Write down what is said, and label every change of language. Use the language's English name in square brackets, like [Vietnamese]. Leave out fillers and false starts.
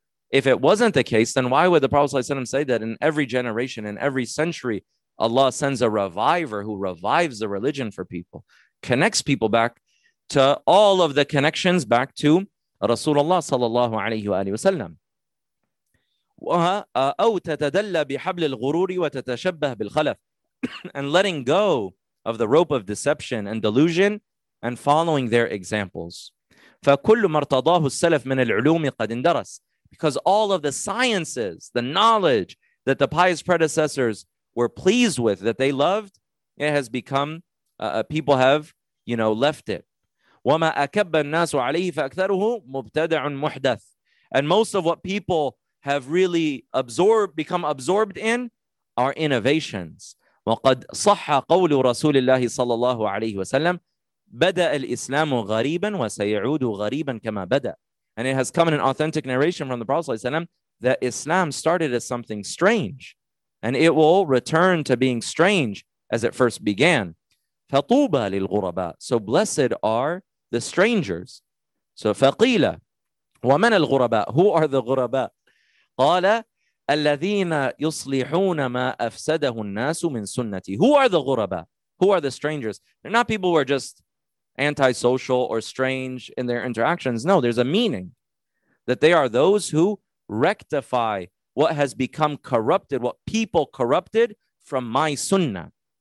[English] If it wasn't the case, then why would the Prophet ﷺ say that in every generation, in every century, Allah sends a reviver who revives the religion for people, connects people back to all of the connections back to Rasulullah sallallahu alayhi wa sallam. [Arabic] أو تتدلى بحبل الغرور وتتشبه بالخلف. [English] And letting go of the rope of deception and delusion and following their examples. [Arabic] فَكُلُّ مَرْتَضَاهُ السَّلَفِ مِنَ الْعُلُومِ قَدْ اندَرَسِ. [English] Because all of the sciences, the knowledge that the pious predecessors were pleased with, that they loved, it has become, people have, you know, left it. [Arabic] وَمَا أَكَبَّ النَّاسُ عَلَيْهِ فَأَكْثَرُهُ مُبْتَدَعٌ مُحْدَثٌ. [English] And most of what people have really become absorbed in are innovations. [Arabic] وَقَدْ صَحَّ قَوْلُ رَسُولِ اللَّهِ صَلَّى اللَّهُ عَلَيْهِ وَسَلَّمْ بَدَأَ الْإِسْلَامُ غَرِيبًا وَسَيَعُودُ غَرِيبًا كَمَا بَدَأَ. [English] And it has come in an authentic narration from the Prophet ﷺ that Islam started as something strange and it will return to being strange as it first began. [Arabic] فَطُوبَ لِلْغُرَبَاءِ. [English] So blessed are the strangers. [Arabic] So فَقِيلَ وَمَنَ الْغُرَبَاءِ. [English] Who are the غُرَبَاءِ? [Arabic] قَالَ الَّذِينَ يُصْلِحُونَ مَا أَفْسَدَهُ النَّاسُ مِنْ سُنَّتِي. [English] Who are the غُرَبَاءِ? Who are the strangers? They're not people who are just antisocial or strange in their interactions. No, there's a meaning that they are those who rectify what has become corrupted, what people corrupted from my sunnah.